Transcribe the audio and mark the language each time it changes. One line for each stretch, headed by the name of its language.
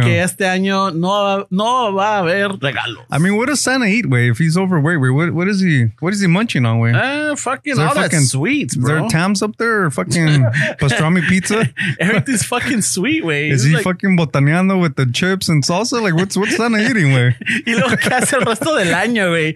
Spanish: y que este año no va a haber regalos.
English: I mean, what does Santa eat, wey? If he's overweight, wey, what is he munching on, wey? Fucking all fucking, that sweets, bro. Is there Tams up there or fucking pastrami pizza? Everything's fucking sweet, wey. Is he like, fucking botaneando with the chips and salsa? Like, what's Santa eating, wey?
Spanish: Y lo que hace el del año, wey.